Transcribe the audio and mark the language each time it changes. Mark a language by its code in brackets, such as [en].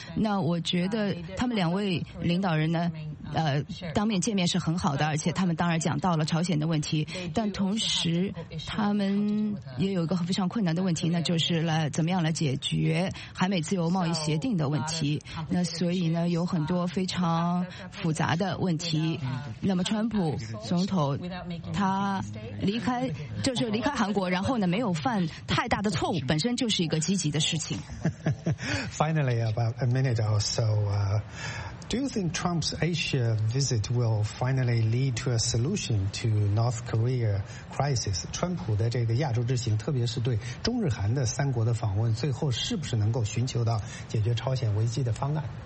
[zh] 那我觉得他们两位领导人呢当面见面是很好的，而且他们当然讲到了朝鲜的问题，但同时他们也有一个非常困难的问题，那就是来怎么样来解决韩美自由贸易协定的问题。那所以呢有很多非常复杂的问题。那么川普总统他离开韩国然后呢没有犯太大的错误，本身就是一个积极的事情。 [en] Finally, about a minute or so, Do you think Trump's Asia visit will finally lead to a solution to North Korea crisis? [zh] 川普的这个亚洲之行，特别是对中日韩的三国的访问，最后是不是能够寻求到解决朝鲜危机的方案？